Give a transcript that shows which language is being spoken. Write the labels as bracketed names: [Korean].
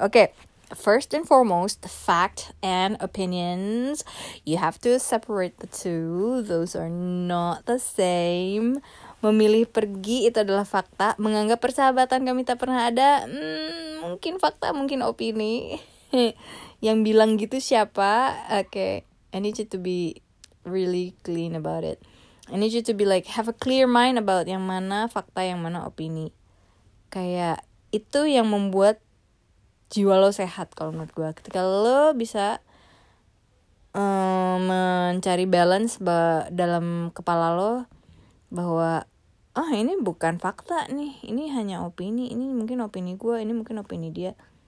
[English] Okay, first and foremost, fact and opinions, you have to separate the two. Those are not the same. [Indonesian] Memilih pergi itu adalah fakta. Menganggap persahabatan kami tak pernah ada, mungkin fakta, mungkin opini. Yang bilang gitu siapa? [English] Okay, I need you to be really clean about it. I need you to be like, have a clear mind about [Indonesian] yang mana fakta, yang mana opini. Kayak, itu yang membuat jiwa lo sehat kalau menurut gue. Ketika lo bisa mencari balance dalam kepala lo, bahwa, oh ini bukan fakta nih, ini hanya opini, ini mungkin opini gue, ini mungkin opini dia.